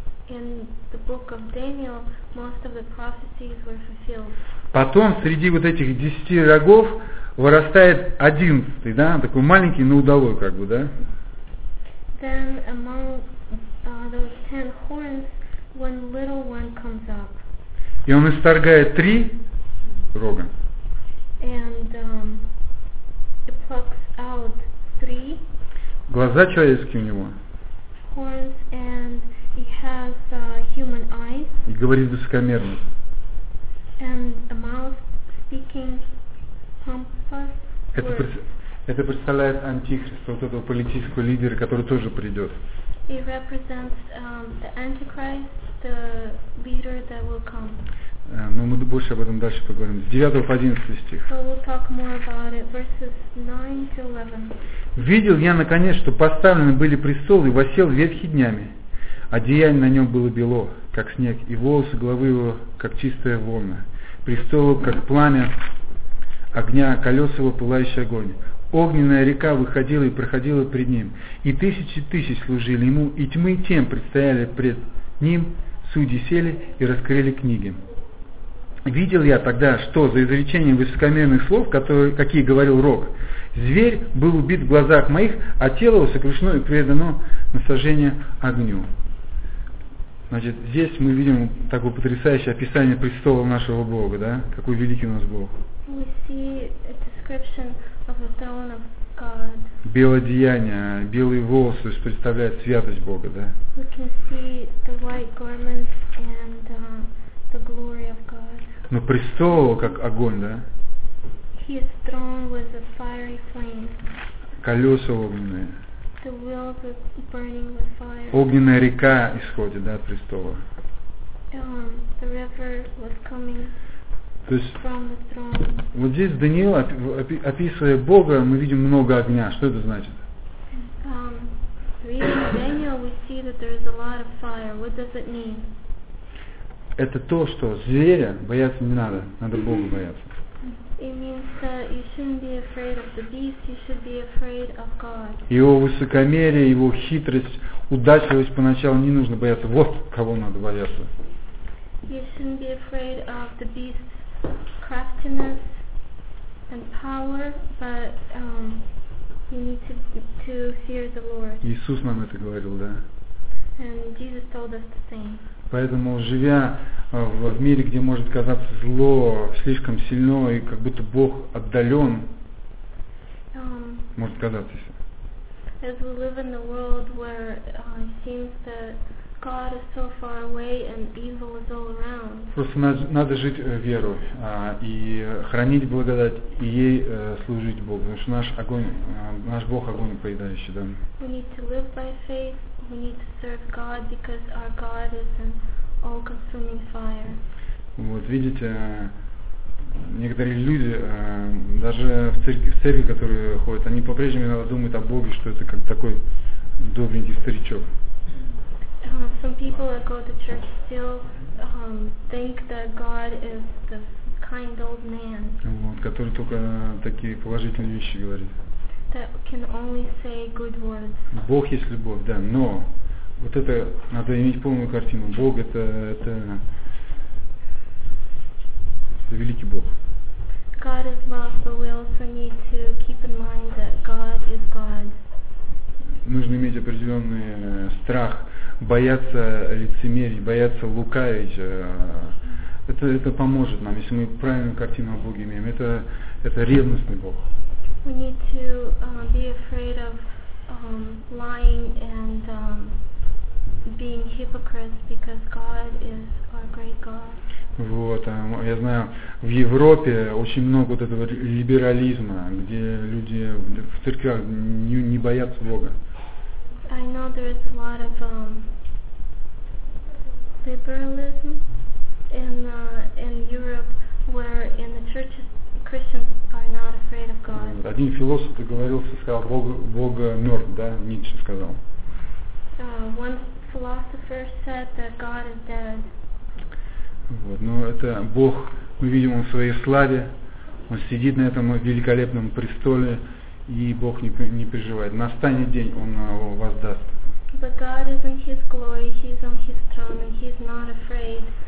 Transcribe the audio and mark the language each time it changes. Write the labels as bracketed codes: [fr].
[en] In the book of Daniel, most of the prophecies were fulfilled. [ru] Потом среди вот этих 10 рогов вырастает 11, да, такой маленький, но удалой, как бы, да? [en] Then among those 10 horns, one little one comes up. [ru] И он исторгает 3 рога. [en] And it plucks out 3. [ru] Глаза человеческие у него. [en] Horns and he has human eyes. [ru] И говорит высокомерно. [en] And a mouth speaking pompous. [ru] Это представляет антихриста, вот этого политического лидера, который тоже придет. [en] It represents the antichrist, the leader that will come. [ru] Но мы больше об этом дальше поговорим. С 9 по 11 стих. [en] So we'll talk more about it. Verses 9 to 11. [ru] Видел я наконец, что поставлены были престолы и воссел ветхий днями. Одеяние на нем было бело, как снег, и волосы головы его, как чистая волна. Престол, как пламя огня, колеса его, пылающий огонь. Огненная река выходила и проходила пред ним, и тысячи тысяч служили ему, и тьмы тем предстояли пред ним, судьи сели и раскрыли книги. Видел я тогда, что за изречением высокомерных слов, какие говорил рог, зверь был убит в глазах моих, а тело его сокрушено и предано на сожжение огню. Значит, здесь мы видим такое потрясающее описание престола нашего Бога, да? Какой великий у нас Бог. [en] We see a description of the throne of God. [ru] Белое одеяние, белые волосы, то есть представляет святость Бога, да? [en] We can see the white garments and the glory of God. [ru] Но престол как огонь, да? [en] He is thrown with a fiery flame. [ru] Колеса огненные. [en] The wheels are burning with fire. [ru] Огненная река исходит, да, от престола. [en] The river was coming. [ru] То есть, [en] from the throne. [ru] Вот здесь Даниил, описывая Бога, мы видим много огня. Что это значит? [en] Reading Daniel, we see that there is a lot of fire. What does it mean? [ru] Это то, что зверя бояться не надо. Надо Бога бояться. [en] It means that you shouldn't be afraid of the beast, you should be afraid of God. [ru] Его высокомерие, его хитрость, удачливость поначалу не нужно бояться. Вот кого надо бояться. [en] You shouldn't be afraid of the beast's craftiness and power, but you need to fear the Lord. [ru] Иисус нам это говорил, да? [en] And Jesus told us the same. [ru] Поэтому, живя в мире, где может казаться зло слишком сильно и как будто Бог отдален, может казаться. [en] As we live in the world where it seems that God is so far away and evil is all around. [ru] Просто надо жить верой и хранить благодать и ей служить Богу, потому что наш Бог огонь поедающий, да. [en] We need to live by faith. We need to serve God because our God is an all-consuming fire. [ru] Вот видите, некоторые люди, даже в церкви, которые ходят, они по-прежнему иногда думают о Боге, что это как такой добренький старичок. [en] Some people that go to church still think that God is the kind old man. [ru] Вот, который только такие положительные вещи говорит. [en] That can only say good words. [ru] Бог есть любовь, да, но вот это надо иметь полную картину. Бог это Это великий Бог. [en] God is love, but we also need to keep in mind that God is God. [ru] Нужно иметь определенный страх, бояться лицемерить, бояться лукавить. Это поможет нам, если мы правильную картину о Боге имеем. Это ревностный Бог. [en] We need to be afraid of lying and being hypocrites because God is our great God. [ru] Вот, я знаю, в Европе очень много вот этого либерализма, где люди в церквях не боятся Бога. [en] I know there is a lot of liberalism in Europe, where in the churches Christians are not afraid of God. [ru] Один философ договорился, сказал, Бога мертв, да, Ницше сказал. [en] One philosopher said that God is dead. [ru] Вот, но это Бог, мы видим, Он в своей славе, Он сидит на этом великолепном престоле, и Бог не переживает. Настанет день, Он его воздаст. [en] But God is in His glory, He's on His throne, and He's not afraid.